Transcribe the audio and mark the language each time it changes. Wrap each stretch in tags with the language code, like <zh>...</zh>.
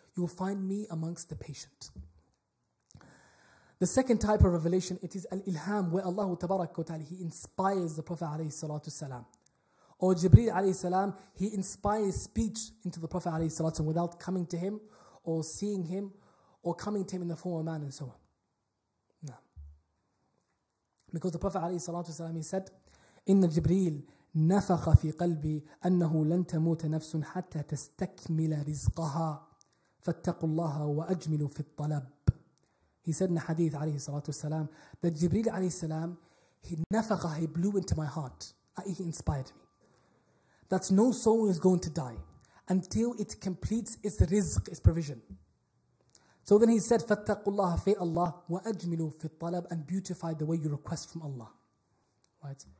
<en>You will find me amongst the patient. The second type of revelation, it is al-ilham, where Allah tabarak wa ta'ala, he inspires the Prophet alayhi salatu salam. Or Jibreel alayhi salam, he inspires speech into the Prophet alayhi salatu salam without coming to him or seeing him or coming to him in the form of man and so on. No.</en> <ar>Because the Prophet alayhi salatu salam, he said, إِنَّ Jibreel نَفَخَ فِي قَلْبِي أَنَّهُ لَن تَمُوتَ نَفْسٌ حَتَّى تَسْتَكْمِلَ رِزْقَهَا فَاتَّقُوا اللَّهَ وَأَجْمِلُوا فِي الطَّلَبِ.</ar> <en>He said in a hadith alayhi salatu wasalam that Jibreel alayhi salam, he nafaqa, he blew into my heart, i.e. he inspired me, that no soul is going to die until it completes its rizq, its provision. So then he said,</en> <ar>fattaqullaha fi Allah wa ajmilu fi talab,</ar> <en>and beautify the way you request from Allah. Right?</en>